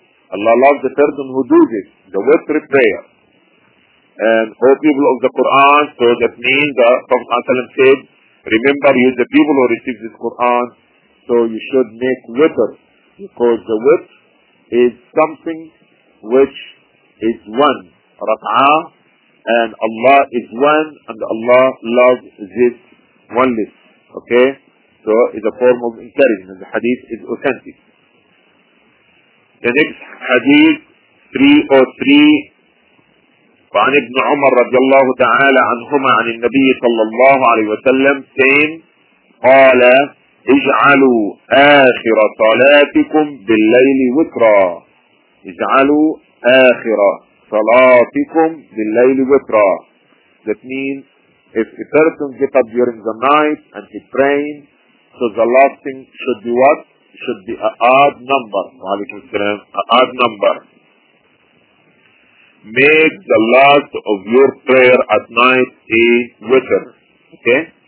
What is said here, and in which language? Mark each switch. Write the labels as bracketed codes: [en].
[en] Allah loves the person who does it, the witr prayer. And all people of the Quran, so that means the Prophet ﷺ said, remember you the people who received this Quran, so you should make witr, because the witr is something which is one, rak'ah, and Allah is one, and Allah loves this oneness. Okay? So it's a form of encouragement. The hadith is authentic. The next hadith, 303, [ar] وعن ابن عمر رضي الله تعالى عنهما عن النبي صلى الله عليه وسلم قال اجعلوا آخر صلاتكم بالليل وترا. اجعلوا آخر صلاتكم بالليل وترا. [en] That means if a person gets up during the night and he praying, so the last thing should be what? Should be an odd number. [ar] وعليكم السلام. [en] An odd number. Make the last of your prayer at night a witr. Okay?